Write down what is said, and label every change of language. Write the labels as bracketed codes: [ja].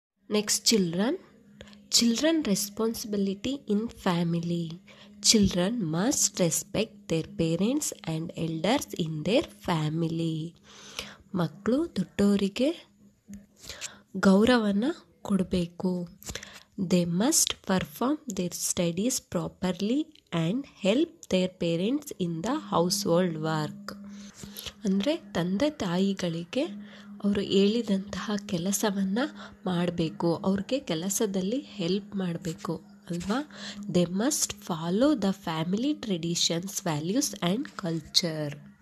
[en] Next, children responsibility in family. Children must respect their parents and elders in their family. [kn] ಮಕ್ಕಳು ದೊಡ್ಡವರಿಗೆ ಗೌರವವನ್ನು ಕೊಡಬೇಕು. [en] They must perform their studies properly and help their parents in the household work. [kn] ಅಂದರೆ ತಂದೆ ತಾಯಿಗಳಿಗೆ ಅವರು ಹೇಳಿದಂತಹ ಕೆಲಸವನ್ನು ಮಾಡಬೇಕು, ಅವ್ರಿಗೆ ಕೆಲಸದಲ್ಲಿ ಹೆಲ್ಪ್ ಮಾಡಬೇಕು ಅಲ್ವಾ. [en] They must follow the family traditions values and culture.